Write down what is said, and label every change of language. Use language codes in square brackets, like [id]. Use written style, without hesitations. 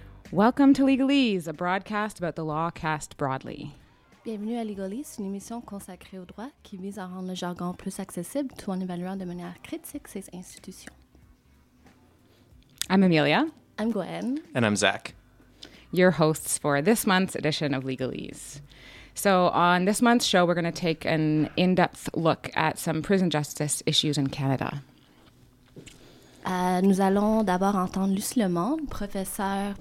[en] Welcome to Legalese, a broadcast about the law cast broadly. [fr] Bienvenue à Legalese, une émission consacrée au droit qui vise à rendre le jargon plus accessible tout en évaluant de manière critique ces institutions. [en] I'm Amelia. I'm Gwen. And I'm Zach. Your hosts for this month's edition of Legalese. So on this month's show, we're going to take an in-depth look at some prison justice issues in Canada. [fr] Nous allons d'abord entendre Luce Lemond, professeur.